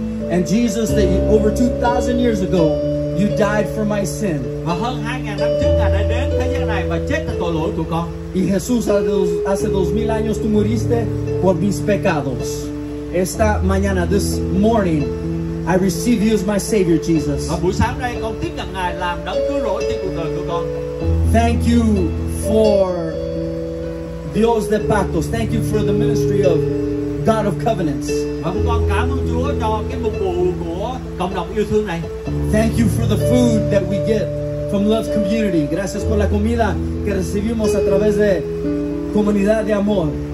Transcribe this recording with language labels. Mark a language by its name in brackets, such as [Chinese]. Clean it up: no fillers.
[English] And Jesus, that over 2,000 years ago, you died for my sin. [Vietnamese] Và hơn 2,000 năm trước ngài đã đến thế gian này và chết cho tội lỗi của con. [Spanish] Y Jesús, hace 2,000 años tú muriste por mis pecados. Esta mañana, [English] this morning, I receive you as my Savior, Jesus. [Vietnamese] Và buổi sáng nay con tiếp nhận ngài làm đấng cứu rỗi trên cuộc đời của con. [English] Thank you for Dios de Pactos. Thank you for the ministry of God of Covenants. [Vietnamese] Và con cảm ơn Chúa cho cái mục vụ của cộng đồng yêu thương này. [English] Thank you for the food that we get from Love's Community. [Spanish] Gracias por la comida que recibimos a través de Comunidad de Amor.